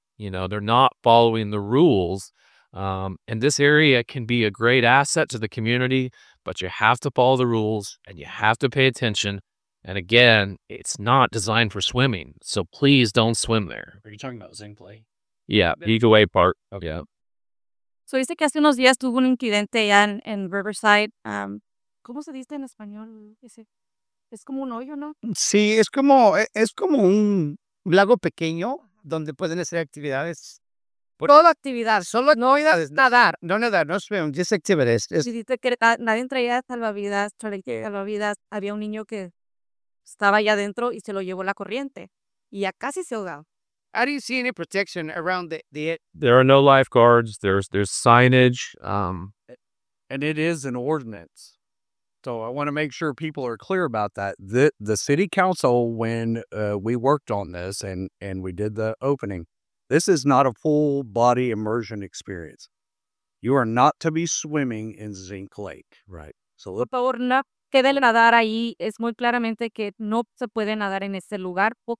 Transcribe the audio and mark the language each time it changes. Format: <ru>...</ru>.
<en>You know, they're not following the rules. And this area can be a great asset to the community, but you have to follow the rules and you have to pay attention. And again, it's not designed for swimming, so please don't swim there. Are you talking about Zing Play? Yeah, Eagle Way Park. Okay. Yeah.</en> <es>So dice que hace unos días tuvo un incidente allá en Riverside. ¿Cómo se dice en español? Es como un hoyo, ¿no? Sí, es como un lago pequeño donde pueden hacer actividades. Toda actividad, solo no ir a nadar. No nadar, no</es> <en>swim, just activities.</en> <es>Sí, dice que nadie traía salvavidas, había un niño que estaba allá adentro y se lo llevó la corriente. Y ya casi se ahogó.</es> <en>How do you see any protection around the... There are no lifeguards. There's signage. And it is an ordinance. So I want to make sure people are clear about that. The city council, when we worked on this and we did the opening, this is not a full body immersion experience. You are not to be swimming in Zinc Lake. Right.</en> <es>So por favor, no quede nadar ahí. Es muy claramente que no se puede nadar en ese lugar.</es>